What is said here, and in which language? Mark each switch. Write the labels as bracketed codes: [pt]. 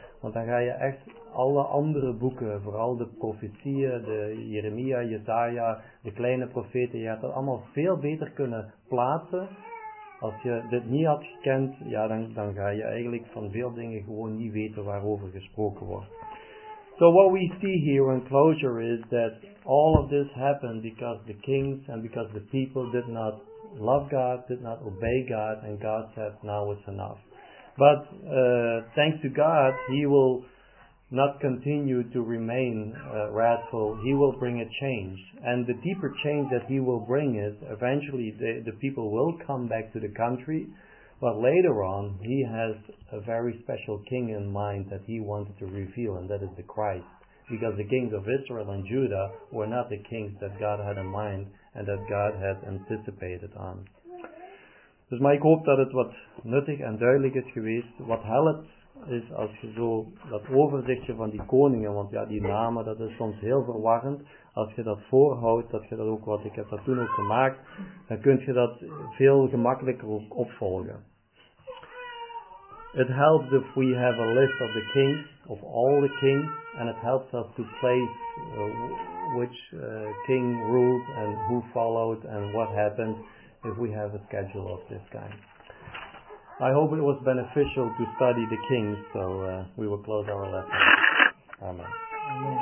[nl] Want dan ga je echt alle andere boeken, vooral de profetieën, de Jeremia, Jesaja, de kleine profeten. Je had dat allemaal veel beter kunnen plaatsen. Als je dit niet had gekend, ja, dan ga je eigenlijk van veel dingen gewoon niet weten waarover gesproken wordt. [en] So what we see here in closure is that all of this happened because the kings and because the people did not love God, did not obey God, and God said, now it's enough. But thanks to God, he will not continue to remain wrathful. He will bring a change. And the deeper change that he will bring is, eventually the people will come back to the country. But later on, he has a very special king in mind that he wanted to reveal, and that is the Christ. Because the kings of Israel and Judah were not the kings that God had in mind and that God had anticipated on. [nl] Dus maar ik hoop dat het wat nuttig en duidelijk is geweest. Wat helpt is als je zo dat overzichtje van die koningen, want ja, die namen, dat is soms heel verwarrend. Als je dat voorhoudt, dat je dat ook wat ik heb dat toen ook gemaakt, dan kun je dat veel gemakkelijker opvolgen. [en] It helps if we have a list of the kings, of all the kings, and it helps us to place which king ruled and who followed and what happened if we have a schedule of this kind. I hope it was beneficial to study the kings, so we will close our lesson. Amen.